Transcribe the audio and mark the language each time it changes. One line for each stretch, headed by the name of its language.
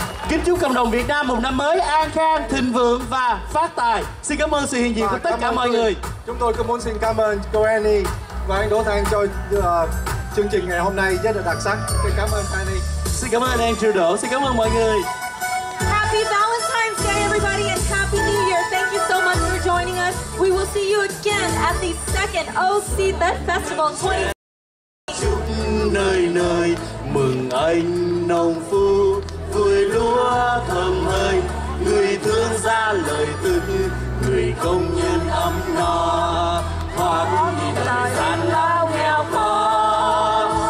Vietnamese: Kính chúc cộng đồng Việt Nam một năm mới an khang, thịnh vượng và phát tài. Xin cảm ơn sự hiện diện của tất cả mọi người. Chúng tôi cũng muốn xin cảm ơn cô Annie và anh Đỗ Thanh cho chương trình ngày hôm nay rất là đặc sắc. Xin cảm ơn Annie. Xin cảm ơn anh Trudeau. Xin cảm ơn mọi người.
English: Happy Valentine's Day, everybody, and Happy New Year. Thank you so much for joining us. We will see you again at the second OC Tết Festival 2020.
Vietnamese: Chúc nơi nơi mừng anh nông phu vui lúa thơm hơi, người thương ra lời tư, người công nhân ấm no hoặc đời gian lao nghèo khó.